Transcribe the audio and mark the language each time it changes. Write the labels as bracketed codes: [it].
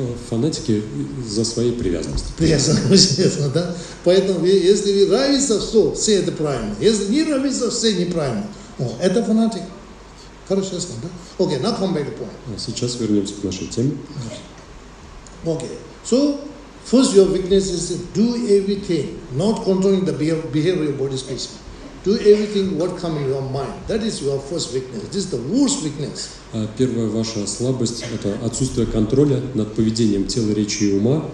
[ru] Фанатики за своей привязанностью. Привязанность, да? Поэтому, если нравится все, все это правильно. Если не нравится, все неправильно. О, это фанатик. Хорошо, ясно, да? Окей, [en] now come back to point. [ru] Сейчас вернемся к нашей теме. Окей. [en] So, first your weakness is do everything, not controlling the behavior of your body space. Do everything what comes in your mind. That is your first weakness. This is the worst weakness. [ru] Первая ваша слабость – это отсутствие контроля над поведением тела, речи и ума.